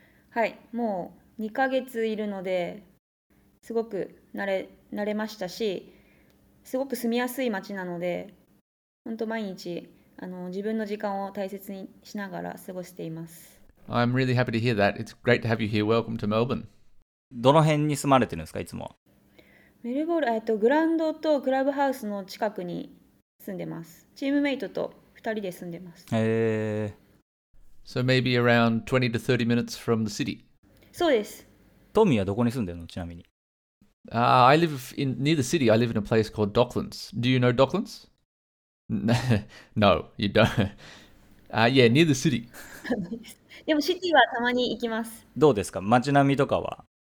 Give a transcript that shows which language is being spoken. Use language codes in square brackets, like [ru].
[ja] はい、もう2ヶ月いるのですごく慣れましたし、すごく住みやすい街なので、本当毎日自分の時間を大切にしながら過ごしています。 [en] I'm really happy to hear that. It's great to have you here. Welcome to Melbourne. [ja] どの辺に住まれてるんですか、いつも？メルボール、グラウンドとクラブハウスの近くに住んでます。チームメイトと2人で住んでます。 [en] So maybe around 20 to 30 minutes from the city. [ja] そうです。トミーはどこに住んでるの、ちなみに？ [en] I live near the city. I live in a place called Docklands. Do you know Docklands? No, you don't. Yeah, near the city. [ja] でもシティはたまに行きます。どうですか、街並みとかは？